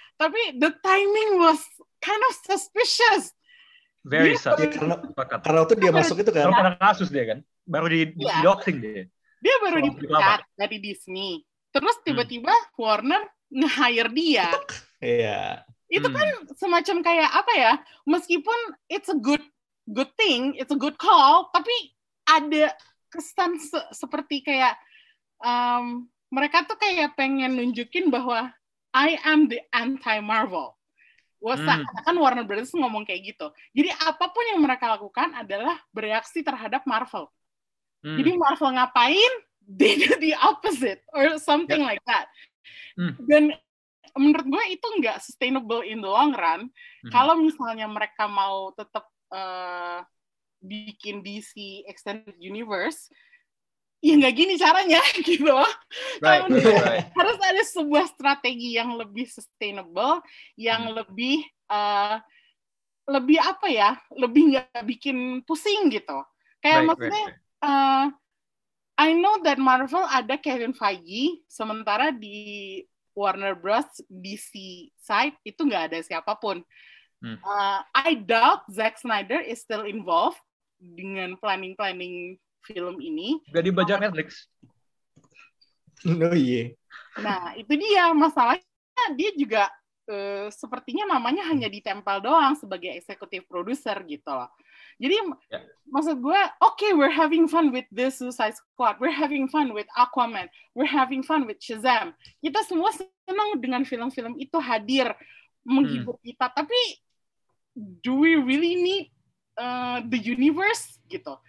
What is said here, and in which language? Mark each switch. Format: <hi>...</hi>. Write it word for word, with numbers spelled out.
<en>Tapi the timing was kind of suspicious. Very suspicious.</en> <id>Ya, karena, karena itu dia masuk itu kan. Baru kena kasus dia kan, baru di, di yeah. doxing dia. Dia baru so, dipecat dari Disney. Terus tiba-tiba hmm. Warner nge-hire dia. Iya. Itu kan hmm. semacam kayak apa ya, meskipun</id> <en>it's a good good thing, it's a good call,</en> <id>tapi ada kesan se- seperti kayak um, mereka tuh kayak pengen nunjukin bahwa</id> <en>I am the anti-Marvel.</en> <id>Wasak, hmm. kan Warner Brothers ngomong kayak gitu. Jadi apapun yang mereka lakukan adalah bereaksi terhadap Marvel. Hmm. Jadi Marvel ngapain,</id> <en>they do the opposite, or something yep. like that.</en> <id>Hmm. Dan menurut gue itu nggak sustainable</id> <en>in the long run.</en> <id>Mm-hmm. Kalau misalnya mereka mau tetap uh, bikin D C Extended Universe, ya nggak gini caranya gitu.</id> <en>Right, right, right.</en> <id>Harus ada sebuah strategi yang lebih sustainable, yang mm. lebih uh, lebih apa ya, lebih nggak bikin pusing gitu. Kayak right, maksudnya.</id> <en>Right, right. Uh, I know that Marvel ada Kevin Feige,</en> <id>sementara di</id> <en>Warner Bros.</en> <id>D C side itu nggak ada siapapun.</id> <en>Hmm. Uh, I doubt Zack Snyder is still involved</en> <id>dengan planning-planning film ini. Udah dibajak Netflix.</id> <en>No yeah.</en> <id>Nah itu dia masalahnya, dia juga uh, sepertinya namanya hanya ditempel doang sebagai eksekutif produser gitu loh. Jadi yeah.</id> <en>maksud gue, okay, we're having fun with The Suicide Squad, we're having fun with Aquaman, we're having fun with Shazam.</en> <id>Kita semua senang dengan film-film itu hadir menghibur hmm. kita, tapi</id> <en>do we really need uh, the universe gitu?</en>